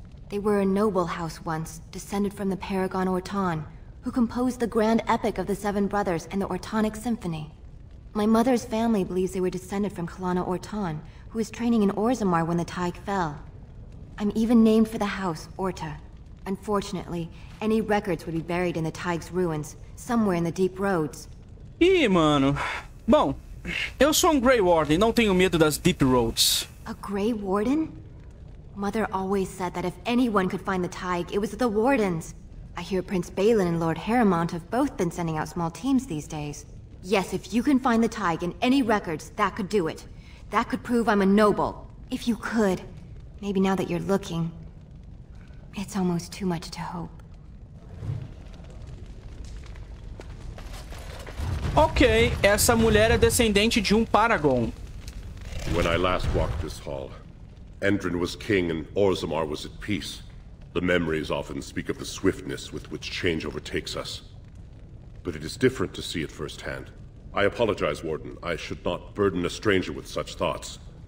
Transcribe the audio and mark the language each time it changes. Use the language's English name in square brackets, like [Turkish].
[English] They were a noble house once, descended from the Paragon Orton, who composed the grand epic of the Seven Brothers and the Ortonic Symphony. My mother's family believes they were descended from Kalana Orton, who was training in Orzammar when the Tig fell. I'm even named for the house, Orta. Unfortunately, any records would be buried in the Tig's ruins, somewhere in the deep roads. [Portuguese] Ih, mano. Bom, eu sou um Grey Warden, não tenho medo das deep roads. [English] A Grey Warden? Mother always said that if anyone could find the Tig, it was the Wardens. I hear Prince Balin and Lord Harrimont have both been sending out small teams these days. Yes, if you can find the Tig in any records, that could do it. That could prove I'm a noble. If you could. Maybe now that you're looking. It's almost too much to hope. [Portuguese] Ok, essa mulher é descendente de um Paragon. [English] When I last walked this hall, Endrin was king and Orzammar was at peace. The memories often speak of the swiftness with which change overtakes us. But it is different to see it firsthand. I apologize, Warden. I should not burden a stranger with such thoughts.